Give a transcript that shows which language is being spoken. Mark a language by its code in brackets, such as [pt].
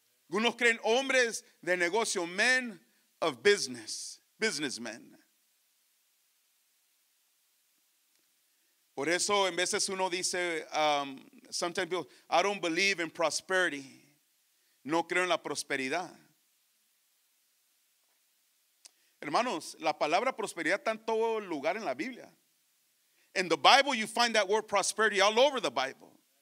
[es] Algunos creen hombres de negocio, [en] men of business, businessmen. [es] Por eso en veces uno dice, [en] sometimes people, I don't believe in prosperity. [es] No creo en la prosperidad. Hermanos, la palabra prosperidad está en todo lugar en la Biblia. [en] In the Bible you find that word prosperity all over the Bible.